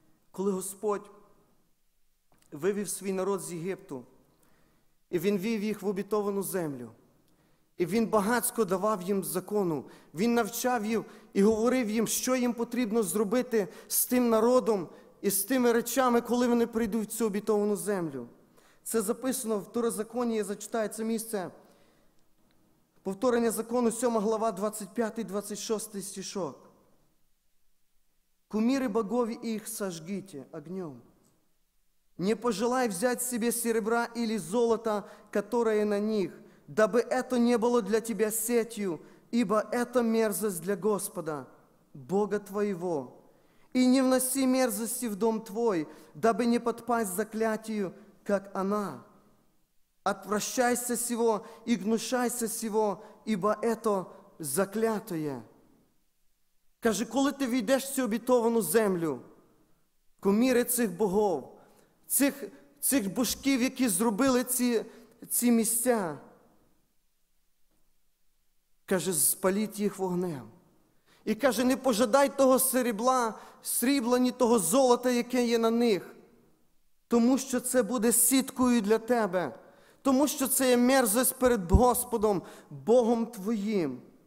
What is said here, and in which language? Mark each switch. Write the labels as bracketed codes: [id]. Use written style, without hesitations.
[uk] Коли Господь вивів свій народ з Єгипту, і він вів їх в обітовану землю, і він багатсько давав їм закону, він навчав їх і говорив їм, що їм потрібно зробити з тим народом і з тими речами, коли вони прийдуть в цю обітовану землю. Це записано в Второзаконі, я зачитаю це місце. Повторення закону, 7 глава, 25-26 стишок. [ru] «Куміри богові їх сожгіть огнем. Не пожелай взять себе серебра или золота, которое на них, дабы это не было для тебя сетью, ибо это мерзость для Господа, Бога твоего. И не вноси мерзости в дом твой, дабы не подпасть заклятию, как она. Отвращайся сего и гнушайся сего, ибо это заклятое». [uk] Каже, коли ти війдеш в цю обітовану землю, куміри цих богов, цих божків, які зробили ці місця, каже, спаліть їх вогнем. І каже, не пожадай того серебла, срібла, ні того золота, яке є на них, тому що це буде сіткою для тебе, тому що це є мерзость перед Господом, Богом твоїм.